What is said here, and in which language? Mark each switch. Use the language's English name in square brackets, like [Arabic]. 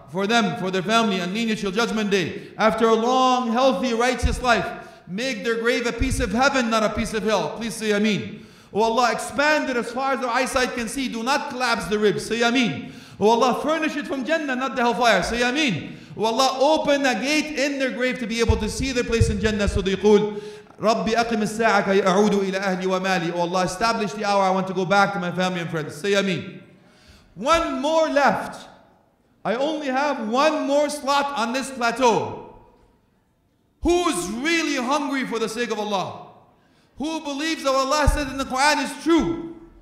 [English] For them, for their family, and lineage till judgment day. After a long, healthy, righteous life, make their grave a piece of heaven, not a piece of hell. Please say Ameen. Oh Allah, expand it as far as their eyesight can see. Do not collapse the ribs. Say Ameen. Oh Allah, furnish it from Jannah, not the hellfire. Say Ameen. Oh Allah, open a gate in their grave to be able to see their place in Jannah. So they [Arabic] قول, ربي أقم الساعة كي أعود إلى أهلي ومالي. [English] Oh Allah, establish the hour. I want to go back to my family and friends. Say Ameen. One more left. I only have one more slot on this plateau. Who's really hungry for the sake of Allah? Who believes that what Allah said in the Quran is true?